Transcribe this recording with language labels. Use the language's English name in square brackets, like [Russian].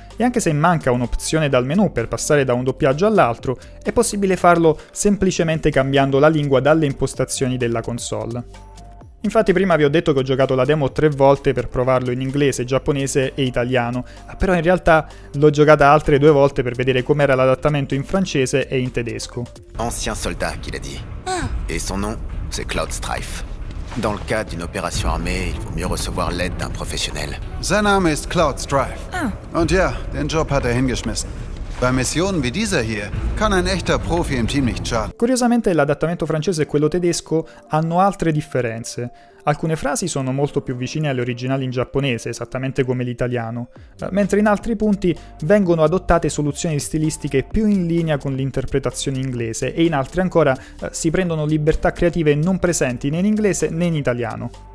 [Italian] E anche se manca un'opzione dal menu per passare da un doppiaggio all'altro, è possibile farlo semplicemente cambiando la lingua dalle impostazioni della console. Infatti prima vi ho detto che ho giocato la demo tre volte per provarlo in inglese, giapponese e italiano, però in realtà l'ho giocata altre due volte per vedere com'era l'adattamento in francese e in tedesco. [French] Ancien soldat, qu'il a dit. Et son nom, c'est Cloud Strife. Dans le cas d'une opération armée, il vaut mieux recevoir l'aide d'un professionnel. [German] Sein Name ist Cloud Strife. Und ja, den Job hat hingeschmissen. Bei Missionen wie dieser hier kann ein echter Profi im Team nicht schaden. [Italian] Curiosamente, l'adattamento francese e quello tedesco hanno altre differenze. Alcune frasi sono molto più vicine alle originali in giapponese, esattamente come l'italiano, mentre in altri punti vengono adottate soluzioni stilistiche più in linea con l'interpretazione inglese e in altri ancora si prendono libertà creative non presenti né in inglese né in italiano.